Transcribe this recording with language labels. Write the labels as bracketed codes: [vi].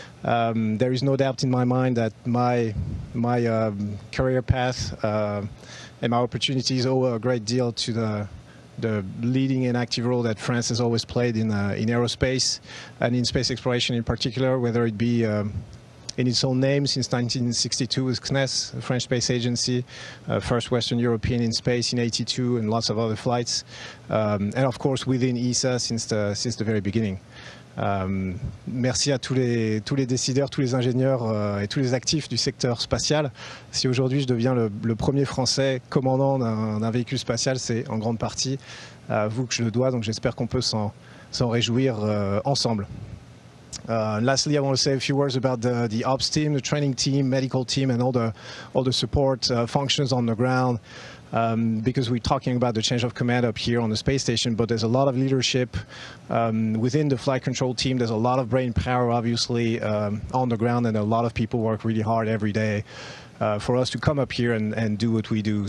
[en] There is no doubt in my mind that my career path and my opportunities owe a great deal to the leading and active role that France has always played in aerospace and in space exploration in particular, whether it be in its own name since 1962 with CNES, the French Space Agency, first Western European in space in 82, and lots of other flights, and of course within ESA since the very beginning. [fr] Merci à tous les décideurs, tous les ingénieurs et tous les actifs du secteur spatial. Si aujourd'hui je deviens le premier Français commandant d'un véhicule spatial, c'est en grande partie à vous que je le dois, donc j'espère qu'on peut s'en réjouir ensemble. [en] Lastly, I want to say a few words about the ops team, the training team, medical team, and all the support functions on the ground. Because we're talking about the change of command up here on the space station, but there's a lot of leadership within the flight control team. There's a lot of brain power, obviously, on the ground, and a lot of people work really hard every day for us to come up here and do what we do.